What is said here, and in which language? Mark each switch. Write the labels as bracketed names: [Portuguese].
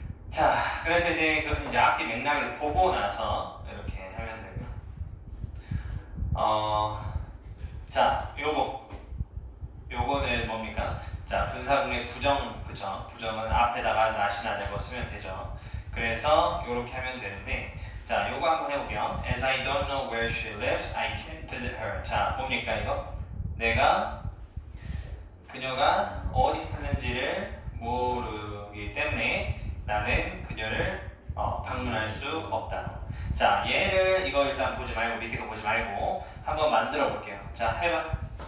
[Korean] 자, 그래서 이제 그 이제 앞뒤 맥락을 보고 나서 이렇게 하면 되고요. 자, 요거. 요거는 뭡니까? 자, 분사구문의 부정, 그쵸? 부정은 앞에다가 나시나 내고 쓰면 되죠. 그래서 요렇게 하면 되는데, 자, 요거 한번 해볼게요. [English] As I don't know where she lives, I can't visit her. [Korean] 자, 뭡니까, 이거? 내가 그녀가 어디 사는지를 모르기 때문에 나는 그녀를 방문할 수 없다. 자, 얘를 이거 일단 보지 말고 밑에 거 보지 말고 한번 만들어 볼게요. 자, 해봐.